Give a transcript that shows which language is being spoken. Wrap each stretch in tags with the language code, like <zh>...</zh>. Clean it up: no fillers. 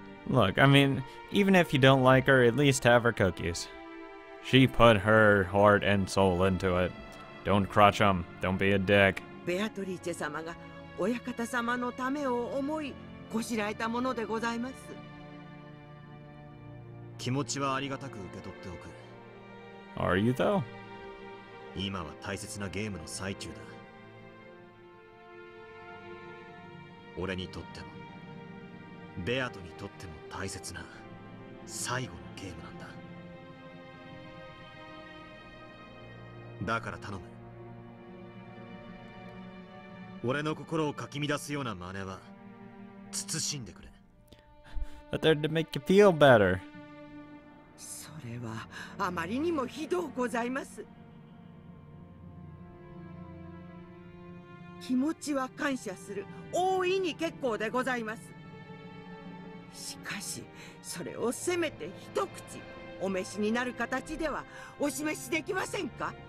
<en>Look, I mean, even if you don't like her, at least have her cookies. She put her heart and soul into it. Don't crotch them. Don't be a dick.</en> <ja>Beatrice 様が親方様のためを思いこしらえたものでございます。気持ちはありがたく受け取っておく。</ja> <en>Are you though?</en> <ja>今は大切なゲームの最中だ。俺にとってもベアトにとっても大切な最後のゲームなんだ。だから頼む。俺の心をかき乱すような真似は慎んでくれ。</ja> <en>But they're to make you feel better.</en> <ja>それはあまりにもひどうございます。気持ちは感謝する。大いに結構でございます。しかし、それをせめて一口お召しになる形ではお示しできませんか？</ja>